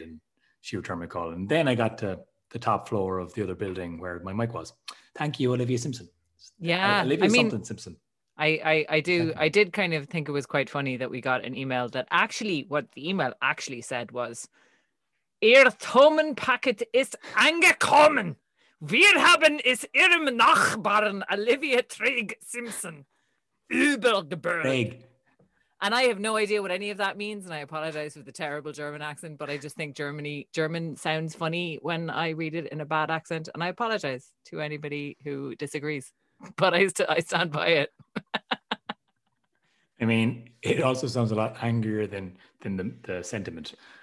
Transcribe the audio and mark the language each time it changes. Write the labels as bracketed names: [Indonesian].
[English] And she returned my call. And then I got to the top floor of the other building where my mic was. Thank you, Olivia Simpson. Yeah. Olivia something Simpson. I did kind of think it was quite funny that we got an email that actually, what the email actually said was, Ihr Thomenpaket ist angekommen. [German] Wir haben es Ihrem Nachbarn Olivia Trigg Simpson übergebracht. [English] And I have no idea what any of that means, and I apologize for the terrible German accent, but I just think German sounds funny when I read it in a bad accent, and I apologize to anybody who disagrees, but I stand by it. I mean, it also sounds a lot angrier than the sentiment.